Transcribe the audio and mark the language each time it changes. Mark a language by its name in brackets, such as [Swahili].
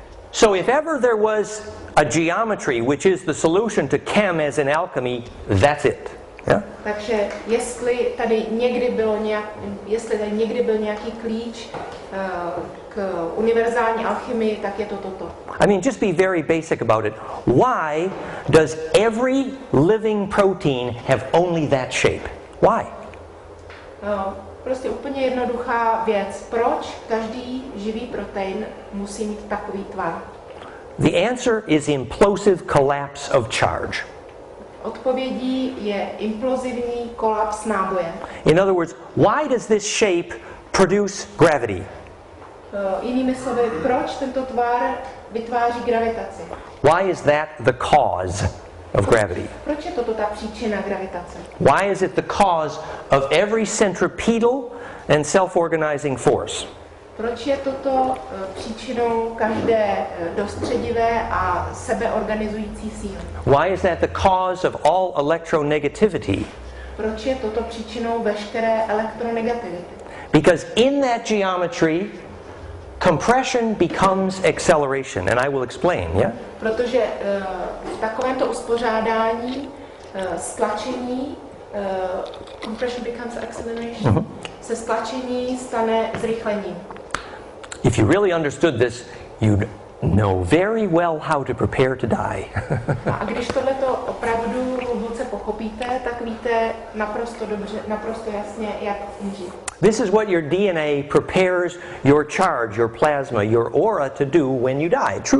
[English] So if ever there was a geometry which is the solution to chem as in alchemy, that's it. Yeah? [Czech] Takže jestli tady někdy bylo nějaký klíč k univerzální alchymii, tak je to toto. [English] I mean, just be very basic about it. Why does every living protein have only that shape? Why? [Czech] Prostě úplně jednoduchá věc. Proč každý živý protein musí mít takový tvar? [English] The answer is implosive collapse of charge. [Czech] Odpovědí je implozivní kolaps náboje. [English] In other words, why does this shape produce gravity? [Czech] Jinými slovy, proč tento tvar vytváří gravitaci? [English] Why is that the cause of gravity? [Czech] Proč je toto ta příčina gravitace? [English] Why is it the cause of every centripetal and self-organizing force? [Czech] Proč je toto příčinou každé dostředivé a sebeorganizující síly? [English] Why is that the cause of all electronegativity? [Czech] Proč je toto příčinou veškeré elektronegativity? [English] Because in that geometry, compression becomes acceleration, and I will explain, yeah? [Czech] Protože v takovémto uspořádání stlačení [English] compression becomes acceleration. [Czech] Se stlačení stane zrychlení. [English] If you really understood this, you'd know very well how to prepare to die. [Czech] A když tohle to opravdu hluboce pochopíte, tak víte naprosto dobře, naprosto jasně, jak umřít. [English] This is what your DNA prepares your charge, your plasma, your aura to do when you die.